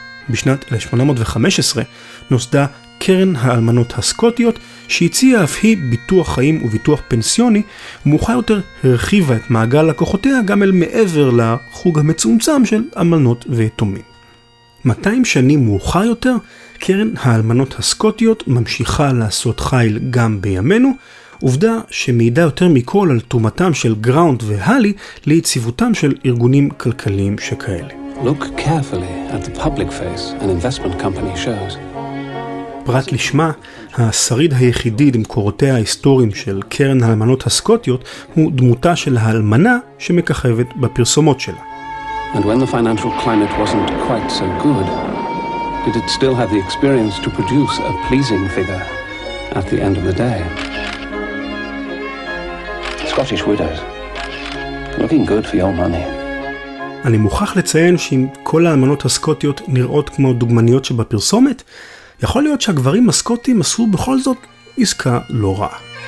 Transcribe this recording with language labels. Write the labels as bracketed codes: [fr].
[he] בשנת 1815 נוסדה קרן האלמנות הסקוטיות שהציעה אף היא ביטוח חיים וביטוח פנסיוני, ומאוחר יותר הרחיבה את מעגל לקוחותיה גם אל מעבר לחוג המצומצם של אלמנות ויתומים. 200 שנים מאוחר יותר, קרן האלמנות הסקוטיות ממשיכה לעשות חיל גם בימינו, עובדה שמעידה יותר מכל על תומתם של גראונט והלי ליציבותם של ארגונים כלכליים שכאלה. [en] Look carefully at the public face an investment company shows. [he] פרט לשמה, השריד היחידי במקורותיה ההיסטוריים של קרן האלמנות הסקוטיות הוא דמותה של האלמנה שמככבת בפרסומות שלה. [en] And when the financial climate wasn't quite so good, did it still have the experience to produce a pleasing figure at the end of the day? Scottish widows, looking good for your money. [he] אני מוכרח לציין שאם כל האלמנות הסקוטיות נראות כמו דוגמניות שבפרסומת, יכול להיות שהגברים הסקוטים עשו בכל זאת עסקה לא רעה.